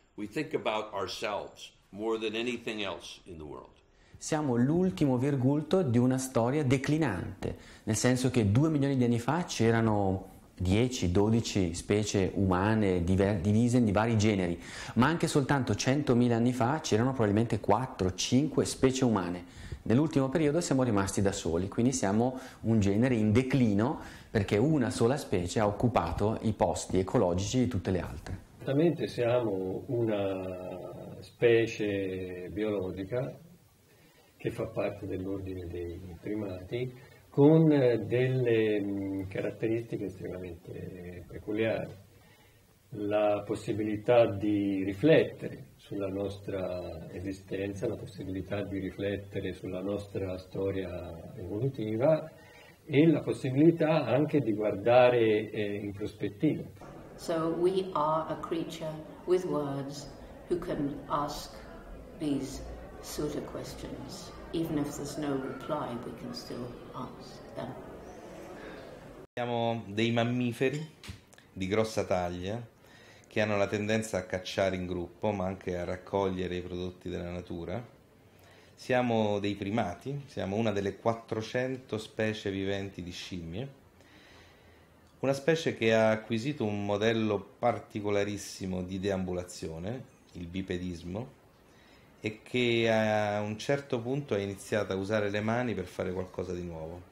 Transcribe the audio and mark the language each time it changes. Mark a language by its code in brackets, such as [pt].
[en] We think about ourselves more than anything else in the world. [it] Siamo l'ultimo virgulto di una storia declinante, nel senso che 2 milioni di anni fa c'erano 10-12 specie umane divise in vari generi, ma anche soltanto 100.000 anni fa c'erano probabilmente 4-5 specie umane. Nell'ultimo periodo siamo rimasti da soli, quindi siamo un genere in declino perché una sola specie ha occupato i posti ecologici di tutte le altre. Esattamente, siamo una specie biologica che fa parte dell'ordine dei primati, con delle caratteristiche estremamente peculiari. La possibilità di riflettere sulla nostra esistenza, la possibilità di riflettere sulla nostra storia evolutiva e la possibilità anche di guardare in prospettiva. [en] So we are a creature with words who can ask these sort of questions. Even if there's no reply, we can still ask them. [it] Siamo dei mammiferi di grossa taglia che hanno la tendenza a cacciare in gruppo, ma anche a raccogliere i prodotti della natura. Siamo dei primati, siamo una delle 400 specie viventi di scimmie, una specie che ha acquisito un modello particolarissimo di deambulazione, il bipedismo, e che a un certo punto ha iniziato a usare le mani per fare qualcosa di nuovo.